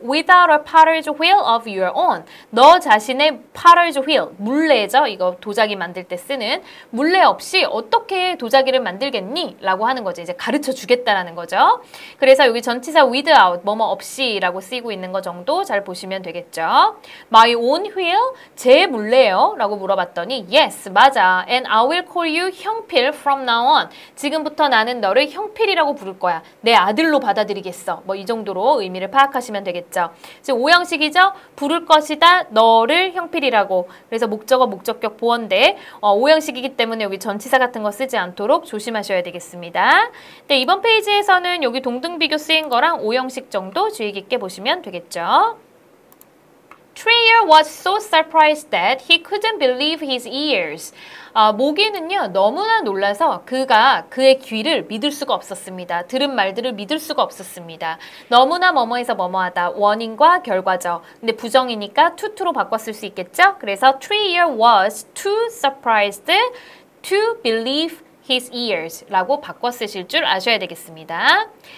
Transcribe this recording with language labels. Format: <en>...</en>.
<en>Without a potter's wheel of your own.</en> <ko>너 자신의</ko> <en>potter's wheel, 물레죠.</en> <ko>이거 도자기 만들 때 쓰는 물레 없이 어떻게 도자기를 만들겠니? 라고 하는 거죠. 이제 가르쳐 주겠다라는 거죠. 그래서 여기 전치사 without, 뭐뭐 없이라고 쓰이고 있는 것 정도 잘 보시면 되겠죠.</ko> <en>My own wheel?</en> <ko>제 물레요? 라고 물어봤더니</ko> <en>Yes,</en> <ko>맞아.</ko> <en>And I will call you 형필 from now on.</en> <ko>지금부터 나는 너를 형필이라고 부를 거야. 내 아들로 받아들이겠어. 뭐 이 정도로 의미를 파악하시면 되겠죠. 지금 오형식이죠? 부를 것이다. 너를 형필이라고. 그래서 목적어 목적격 보원대 오형식이기 때문에 여기 전치사 같은 거 쓰지 않도록 조심하셔야 되겠습니다. 네, 이번 페이지에서는 여기 동등비교 쓰인 거랑 오형식 정도 주의 깊게 보시면 되겠죠.</ko> <en>Trier was so surprised that he couldn't believe his ears.</en> <ko>아, 모기는요 너무나 놀라서 그가 그의 귀를 믿을 수가 없었습니다. 들은 말들을 믿을 수가 없었습니다. 너무나 뭐뭐해서 뭐뭐하다. 원인과 결과죠. 근데 부정이니까 to로 바꿨을 수 있겠죠. 그래서</ko> <en>Trier was too surprised to believe his ears</en> <ko>라고 바꿔 쓰실 줄 아셔야 되겠습니다.</ko>